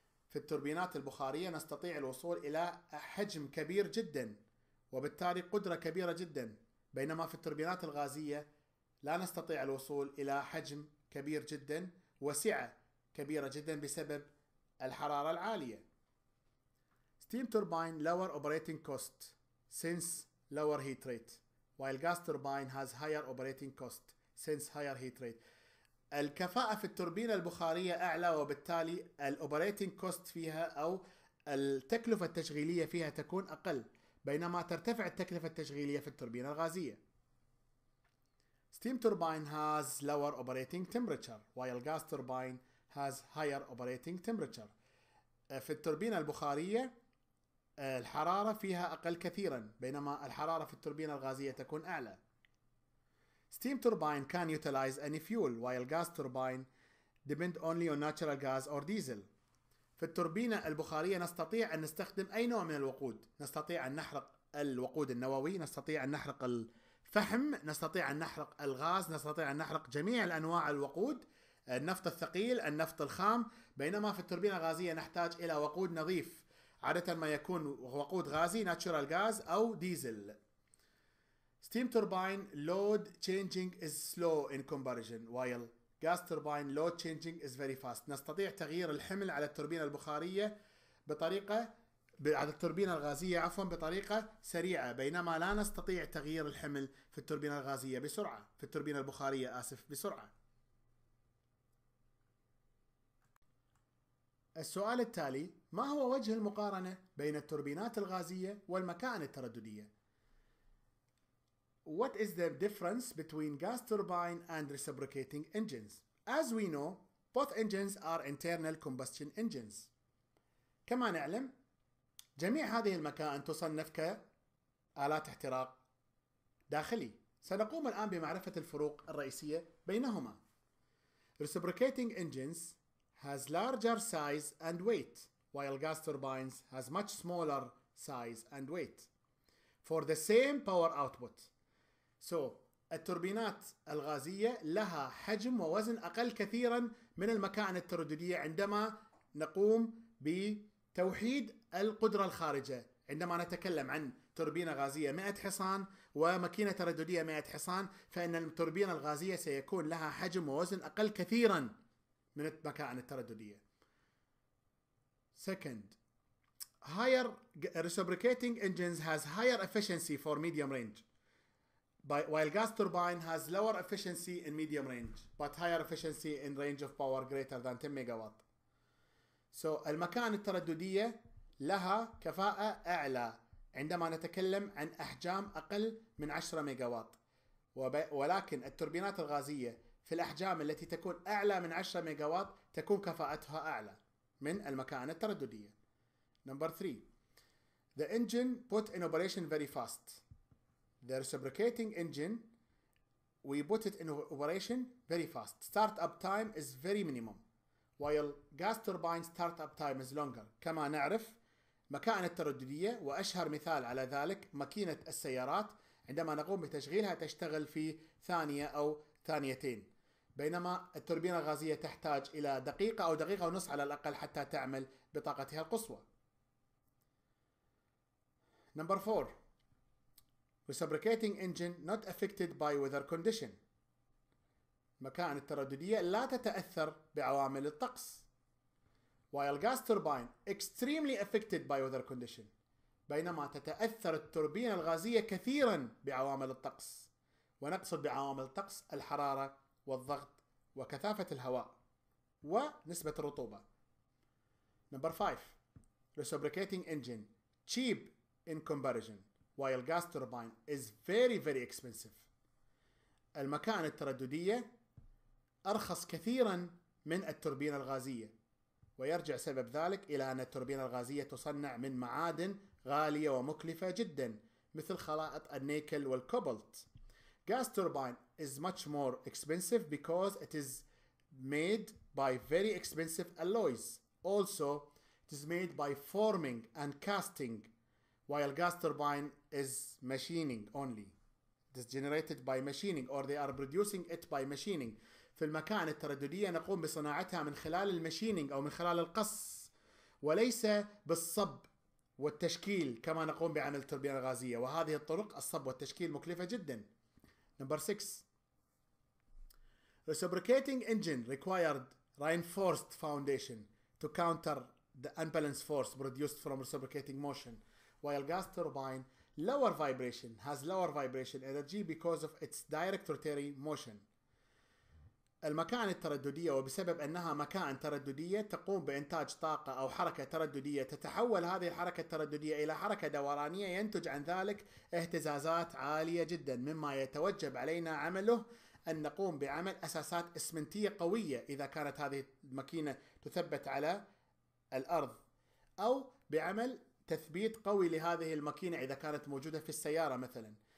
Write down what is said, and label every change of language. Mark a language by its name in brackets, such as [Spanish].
[Arabic] في التوربينات البخارية نستطيع الوصول إلى حجم كبير جدا، وبالتالي قدرة كبيرة جدا، بينما في التوربينات الغازية لا نستطيع الوصول إلى حجم كبير جدا وسعة كبيرة جدا بسبب الحرارة العالية. [English] Steam turbine lower operating cost since lower heat rate, while gas turbine has higher operating cost since higher heat rate. [Arabic] الكفاءة في التوربينة البخارية أعلى، وبالتالي [English] الأوبريتنج كوست [Arabic] فيها أو التكلفة التشغيلية فيها تكون أقل، بينما ترتفع التكلفة التشغيلية في التوربينة الغازية. [English] Steam turbine has lower operating temperature, while gas turbine has higher operating temperature. [Arabic] في التوربينة البخارية الحرارة فيها أقل كثيرا، بينما الحرارة في التوربينة الغازية تكون أعلى. [English] Steam turbine can utilize any fuel, while gas turbine depend only on natural gas or diesel. [Arabic] في التوربينة البخارية نستطيع أن نستخدم أي نوع من الوقود، نستطيع أن نحرق الوقود النووي، نستطيع أن نحرق فحم، نستطيع أن نحرق الغاز، نستطيع أن نحرق جميع الأنواع الوقود، النفط الثقيل، النفط الخام، بينما في التوربينة الغازية نحتاج إلى وقود نظيف، عادة ما يكون وقود غازي [English] natural gas [Arabic] أو ديزل. [English] Steam turbine load changing is slow in comparison, while gas turbine load changing is very fast. [Arabic] نستطيع تغيير الحمل على التوربينة البخارية بطريقة على التوربينة الغازية عفوا بطريقة سريعة، بينما لا نستطيع تغيير الحمل في التوربينة الغازية بسرعة، في التوربينة البخارية آسف بسرعة. السؤال التالي: ما هو وجه المقارنة بين التوربينات الغازية والمكائن الترددية؟ [English] What is the difference between gas turbine and reciprocating engines? As we know, both engines are internal combustion engines. [Arabic] كما نعلم، جميع هذه المكائن تصنف كآلات احتراق داخلي. سنقوم الآن بمعرفة الفروق الرئيسية بينهما. [English] Reciprocating engines has larger size and weight, while gas turbines has much smaller size and weight for the same power output. [Arabic] So, التوربينات الغازية لها حجم ووزن أقل كثيرا من المكائن الترددية عندما نقوم بتوحيد القدرة الخارجة، عندما نتكلم عن توربينة غازية 100 حصان وماكينة ترددية 100 حصان، فإن التوربينة الغازية سيكون لها حجم ووزن أقل كثيرا من المكائن الترددية. [English] Second, higher reciprocating engines has higher efficiency for medium range, while gas turbine has lower efficiency in medium range, but higher efficiency in range of power greater than 10 megawatt. [Arabic] So, المكائن الترددية لها كفاءة أعلى عندما نتكلم عن أحجام أقل من 10 ميجاوات، ولكن التوربينات الغازية في الأحجام التي تكون أعلى من 10 ميجاوات تكون كفاءتها أعلى من المكائن الترددية. [English] Number 3. The engine put in operation very fast. The reciprocating engine, we put it in operation very fast. Start-up time is very minimum, while gas turbine start-up time is longer. [Arabic] كما نعرف، مكائن الترددية وأشهر مثال على ذلك مكينة السيارات، عندما نقوم بتشغيلها تشتغل في ثانية أو ثانيتين، بينما التوربينة الغازية تحتاج إلى دقيقة أو دقيقة ونص على الأقل حتى تعمل بطاقتها القصوى. [English] Number 4. Reciprocating engine not affected by weather condition. [Arabic] مكائن الترددية لا تتأثر بعوامل الطقس. [English] While gas turbine extremely affected by weather condition. [Arabic] بينما تتأثر التوربينة الغازية كثيرا بعوامل الطقس، ونقصد بعوامل الطقس الحرارة والضغط وكثافة الهواء ونسبة الرطوبة. [English] Number 5. Reciprocating engine cheap in comparison, while gas turbine is very very expensive. [Arabic] المكائن الترددية أرخص كثيرا من التوربينة الغازية، ويرجع سبب ذلك إلى أن التوربينة الغازية تصنع من معادن غالية ومكلفة جدا، مثل خلائط النيكل والكوبالت. [English] Gas turbine is much more expensive because it is made by very expensive alloys. Also, it is made by forming and casting, while gas turbine is machining only. It is generated by machining, or they are producing it by machining. [Arabic] في المكائن الترددية نقوم بصناعتها من خلال المشينينج أو من خلال القص، وليس بالصب والتشكيل كما نقوم بعمل التوربينة الغازية، وهذه الطرق الصب والتشكيل مكلفة جدا. [English] Number 6. Reciprocating engine required reinforced foundation to counter the unbalanced force produced from reciprocating motion, while gas turbine lower vibration has lower vibration energy because of its direct rotary motion. [Arabic] المكائن الترددية وبسبب أنها مكائن ترددية تقوم بإنتاج طاقة أو حركة ترددية، تتحول هذه الحركة الترددية إلى حركة دورانية، ينتج عن ذلك اهتزازات عالية جدا، مما يتوجب علينا عمله أن نقوم بعمل أساسات إسمنتية قوية إذا كانت هذه المكينة تثبت على الأرض، أو بعمل تثبيت قوي لهذه المكينة إذا كانت موجودة في السيارة مثلا.